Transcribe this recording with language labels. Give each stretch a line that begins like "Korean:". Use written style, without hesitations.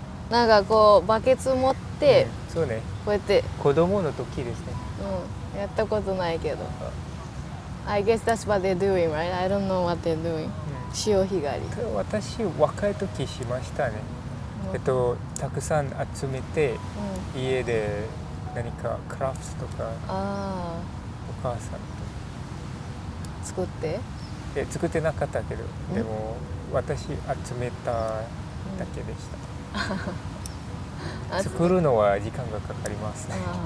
Japanese: なんかこうバケツ持って、ね、そうね、こうやって子供の時ですね。うん、やったことないけど。
English: I guess that's what they're doing, right? I don't know what they're doing、
Japanese: うん、潮干狩り。私若い時しましたね、たくさん集めて、うん、家で何かクラフトとか、あ、お母さんと作って。作ってなかったけど、でも私集めただけでした、うん、作るのは時間がかかりますね。